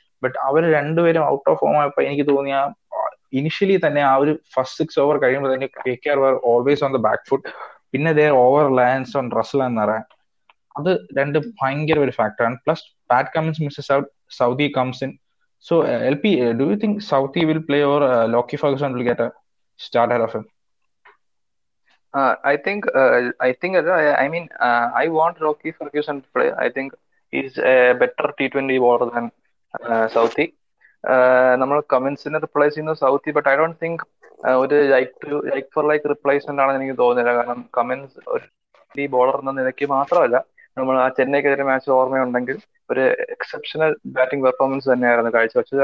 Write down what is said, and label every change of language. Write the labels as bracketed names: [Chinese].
[Malayalam] But അവർ രണ്ടുപേരും out of form ആയപ്പോ എനിക്ക് തോന്നിയ ഇനിഷ്യലി തന്നെ ആ ഒരു ഫസ്റ്റ് 6 ഓവർ കഴിയുമ്പോൾ തന്നെ K K R [English] Were always on the back foot. [Malayalam] പിന്നെ [English] they over reliance on Russell [Malayalam] എന്ന് പറയാൻ, അത് രണ്ട് ഭയങ്കര ഒരു ഫാക്ടറാണ്. [English] Plus Pat Cummins misses out, Southee comes in. So L P, do you think Southee will play over Lockie Ferguson will get a start head of him? I think I mean I want Rocky Ferguson to play. I think is a better T20 bowler than Southee. [Malayalam] നമ്മൾ കമ്മിൻസിനെ replace ചെയ്യുന്ന Southee, [English] but I don't think [Malayalam] ഒരു like for like replacement ആണെന്ന് എനിക്ക് തോന്നുന്നില്ല. കാരണം Cummins ഒരു bowler എന്ന നിലയ്ക്ക് മാത്രമല്ല, നമ്മൾ ആ ചെന്നൈക്കെതിരെ മാച്ച് ഓർമ്മയുണ്ടെങ്കിൽ ഒരു എക്സെപ്ഷണൽ ബാറ്റിംഗ് പെർഫോമൻസ് തന്നെയായിരുന്നു കാഴ്ചവെച്ചത്.